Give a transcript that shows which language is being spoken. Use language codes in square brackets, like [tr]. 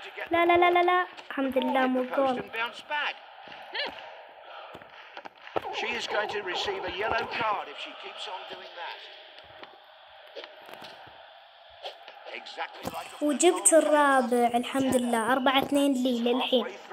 [ar] لا لا لا لا لا الحمد لله مو جول. [en] She is going to receive a yellow card if she keeps on doing that. Exactly like. [ar] وجبت الرابع الحمد لله 4-2 لي للحين.